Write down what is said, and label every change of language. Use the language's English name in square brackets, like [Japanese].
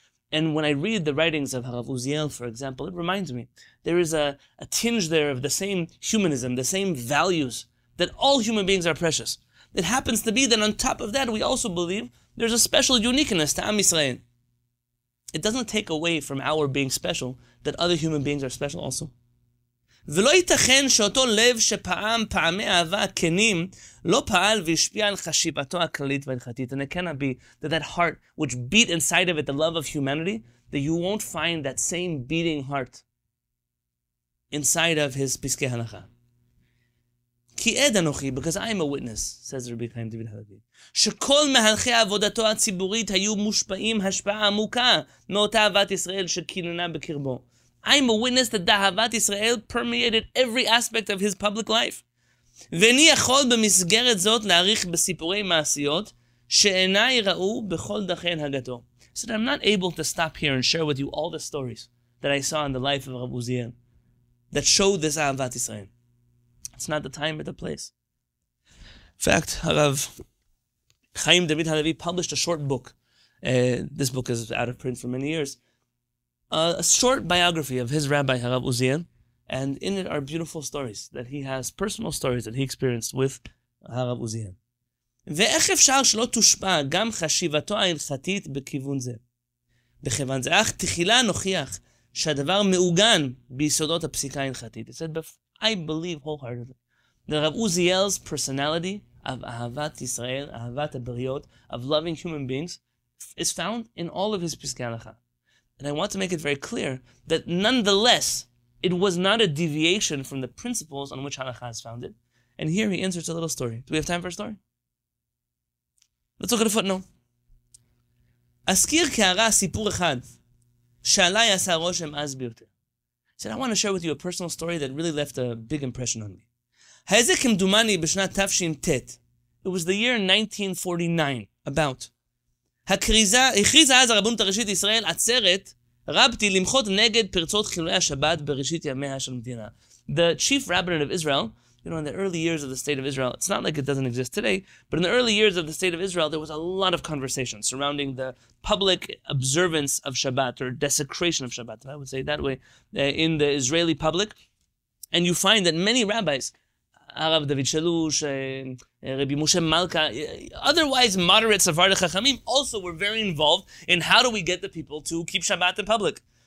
[English] And when I read the writings of Harav Uziel, for example, it reminds me there is a tinge there of the same humanism, the same values, that all human beings are precious. It happens to be that on top of that, we also believe there's a special uniqueness to Am Yisrael. It doesn't take away from our being special that other human beings are special also. [Hebrew] ולא ייתכן שאותו לב שפעם פעמי אהבה כנים לא פעל והשפיע על חשיבתו הכללית והלכתית. [English] And it cannot be that that heart which beat inside of it the love of humanity, that you won't find that same beating heart inside of his פסקי הלכה. [Hebrew] כי עד אנוכי, [English] because I am a witness, says Rabbi Chaim David Halevy, [Hebrew] שכל מהלכי עבודתו הציבורית היו מושפעים השפעה עמוקה מאותה אהבת ישראל שכיננה בקרבו. [English] I am a witness that Dahavat Israel permeated every aspect of his public life. [Hebrew] ואיני יכול במסגרת זאת להעריך בסיפורי מעשיות שאיני ראו בכל דרכי הנהגתו. [English] So that I'm not able to stop here and share with you all the stories that I saw in the life of Rabbi Uziel that showed this Ahavat Israel. It's not the time or the place. In fact, Rav Chaim David Halevy published a short book. This book is out of print for many years. A short biography of his rabbi, Harav Uziel, and in it are beautiful stories that he has, personal stories that he experienced with Harav Uziel. [Hebrew] ואיך אפשר שלא תושפע גם חשיבתו ההלכתית בכיוון זה? בכיוון זה, אך תחילה נוכיח שהדבר מעוגן ביסודות הפסיקה ההלכתית. [English] It said, I believe wholeheartedly that Rav Uziel's personality of [Hebrew] אהבת ישראל, אהבת הבריות, [English] of loving human beings, is found in all of his פסקי הלכה. And I want to make it very clear that nonetheless, it was not a deviation from the principles on which Halakha is founded. And here he inserts a little story. Do we have time for a story? Let's look at a footnote. [Hebrew] Azkir ke'ara sipur echad, she'alai asa roshem az biyoter. [English] He said, I want to share with you a personal story that really left a big impression on me. [Hebrew] Ha'ezek kemdumani b'shnat tafshin tet. [English] It was the year 1949, about. [Hebrew] הכריזה אז הרבנות הראשית ישראל עצרת רבתי למחות נגד פרצות חילולי השבת בראשית ימיה של מדינה. [English] The chief rabbinate of Israel, you know, in the early years of the state of Israel, it's not like it doesn't exist today, but in the early years of the state of Israel, there was a lot of conversation surrounding the public observance of Shabbat, or desecration of Shabbat, if I would say it that way, in the Israeli public. And you find that many rabbis, Arav David Shalush, Rabbi Moshe Malka, otherwise moderate Sephardi Chachamim, also were very involved in how do we get the people to keep Shabbat in public.